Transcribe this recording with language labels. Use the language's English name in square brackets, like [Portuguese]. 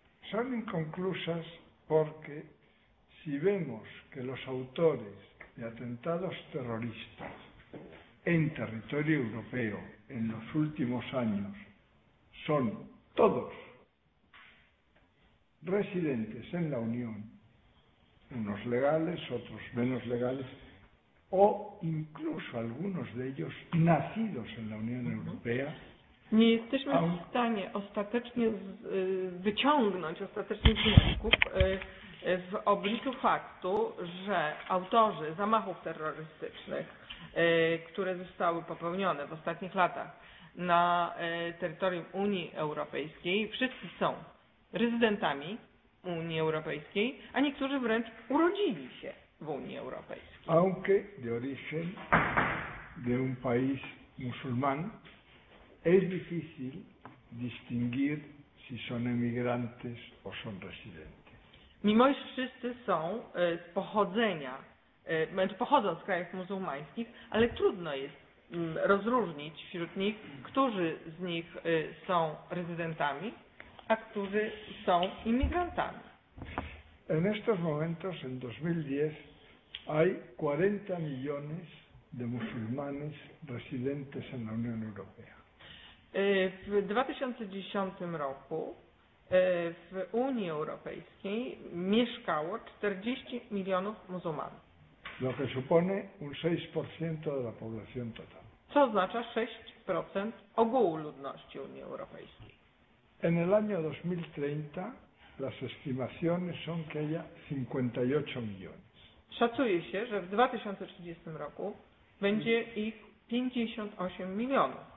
[Spanish] Son inconclusas porque si vemos que los autores de atentados terroristas en territorio europeo en los últimos años son todos residentes en la Unión, unos legales, otros menos legales, o incluso algunos de ellos nacidos en la Unión Europea. [Polish] Nie jesteśmy w stanie ostatecznie wyciągnąć ostatecznych wniosków w obliczu faktu, że autorzy zamachów terrorystycznych, które zostały popełnione w ostatnich latach na terytorium Unii Europejskiej, wszyscy są rezydentami Unii Europejskiej, a niektórzy wręcz urodzili się w Unii Europejskiej. [Spanish] Aunque de origen de un país musulmán, es difícil distinguir si son emigrantes o son residentes. [Polish] Mimo iż wszyscy są z pochodzenia, pochodzą z krajów muzułmańskich, ale trudno jest rozróżnić wśród nich, którzy z nich są rezydentami, a którzy są imigrantami. [Spanish] En estos momentos, en 2010, hay 40 millones de musulmanes residentes en la Unión Europea. [Polish] W 2010 roku w Unii Europejskiej mieszkało 40 milionów muzułmanów. [Spanish] Lo que supone un 6% de la población total. [Polish] Co oznacza 6% ogółu ludności Unii Europejskiej. [Spanish] En el año 2030 las estimaciones son que haya 58 millones. [Polish] Szacuje się, że w 2030 roku będzie ich 58 milionów.